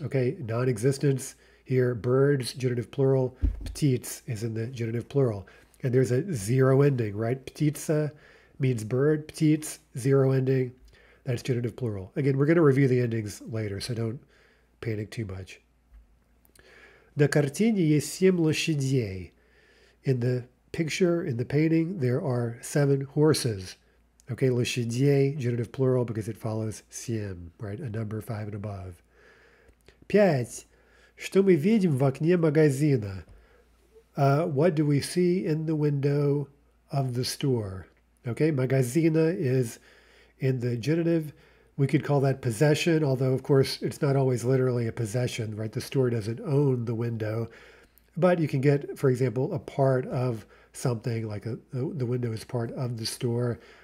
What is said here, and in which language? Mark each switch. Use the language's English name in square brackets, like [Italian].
[English] Okay, non-existence here, birds, genitive plural, птиц is in the genitive plural. And there's a zero ending, right? Птица means bird, птиц, zero ending. That's genitive plural. Again, we're going to review the endings later, so don't panic too much. [Russian] На картине есть семь лошадей. [English] In the picture, in the painting, there are seven horses. Okay, лошадей, genitive plural, because it follows сім, right? A number five and above. П'ять. [Russian] Что мы видим в окне магазина? [English] What do we see in the window of the store? Okay, магазина is in the genitive. We could call that possession, although, of course, it's not always literally a possession, right? The store doesn't own the window. But you can get, for example, a part of something, like the window is part of the store.